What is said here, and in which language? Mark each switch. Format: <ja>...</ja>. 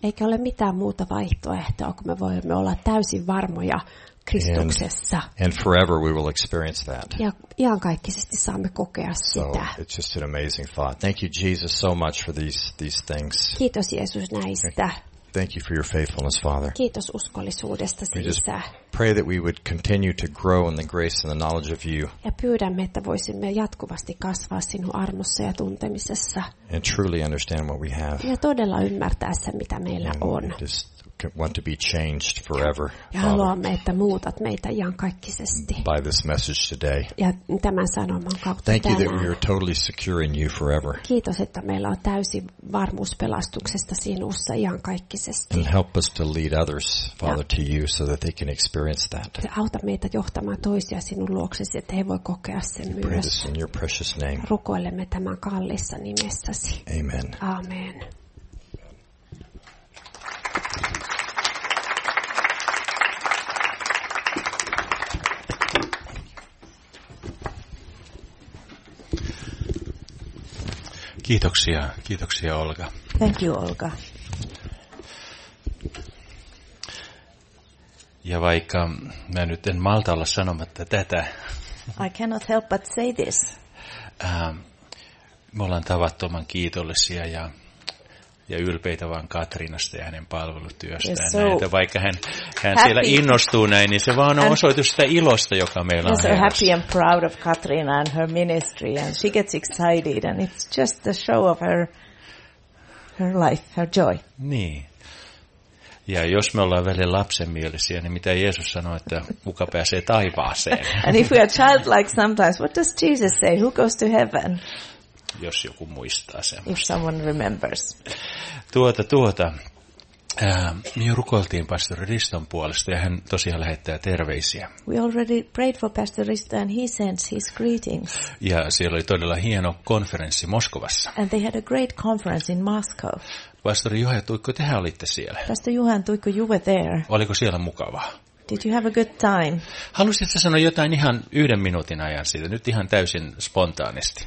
<fi>Eikä ole mitään muuta vaihtoehtoa, kun me voimme olla täysin varmoja Kristuksessa.</fi> <en>And forever we will experience that.</en> <fi>Ja iankaikkisesti saamme kokea</fi> <en>so,</en> <fi>sitä.</fi> <en>It's just an amazing thought. Thank you Jesus so much for these things.</en> <fi>Kiitos Jeesus näistä.</fi> <en>Thank you for your faithfulness, Father.</en> <fi>Kiitos uskollisuudestasi, Isä.</fi> <en>Pray that we would continue to grow in the grace and the knowledge of you.</en> <fi>Ja pyydämme, että voisimme jatkuvasti kasvaa sinun armossa ja tuntemisessa.</fi> <en>And truly understand what we have.</en> <fi>Ja todella ymmärtää sen, mitä meillä on.</fi> <en>Want to be changed forever.</en> <fi>Ja haluamme, että muutat meitä iankaikkisesti.</fi> <en>By this message today.</en> <fi>Ja tämän sanoman kautta.</fi> <en>Thank you that we are totally secure in you forever.</en> <fi>Kiitos, että meillä on täysi varmuus pelastuksesta sinussa iankaikkisesti.</fi> <en>And help us to lead others, Father, to you so that they can experience that.</en> <fi>Auta meitä johtamaan toisia sinun luoksesi, että he voi kokea sen myös.</fi> <en>We pray this in your precious name.</en> <fi>Rukoilemme tämän kallissa nimessäsi.</fi> <en>Amen.</en> <fi>Amen. Kiitoksia, kiitoksia Olga.</fi> <en>Thank you, Olga.</en> <fi>Ja vaikka mä nyt en malta olla sanomatta tätä.</fi> <en>I cannot help but say this.</en> <fi>Me ollaan tavattoman kiitollisia ja ylpeitä vaan Katriinasta ja hänen palvelutyöstään.</fi> <en>Yes, so</en> <fi>näitä, vaikka hän siellä innostuu näin, niin se vaan on osoitus sitä ilosta, joka meillä on.</fi> <en>So happy and proud of Katriina and her ministry, and she gets excited, and it's just a show of her life, her joy.</en> <fi>Niin. Ja jos me ollaan välillä lapsenmielisiä, niin mitä Jeesus sanoi, että kuka pääsee taivaaseen?</fi> <en>And if we are childlike sometimes, what does Jesus say? Who goes to heaven?</en> <fi>Jos joku muistaa sen.</fi> <en>If someone remembers. Tuota.</en> <fi>Me rukoiltiin pastori Riston puolesta ja hän tosiaan lähettää terveisiä.</fi> <en>We already prayed for Pastor Risto and he sends his greetings.</en> <fi>Ja siellä oli todella hieno konferenssi Moskovassa.</fi> <en>And they had a great conference in Moscow.</en> <fi>Pastori Juha ja Tuikko, tehän olitte siellä.</fi> <en>Pastor Juha and Tuikko, you were there.</en> <fi>Oliko siellä mukavaa?</fi> <en>Did you have a good time?</en> <fi>Haluaisitko sanoa jotain ihan yhden minuutin ajan siitä, nyt ihan täysin spontaanisti?</fi>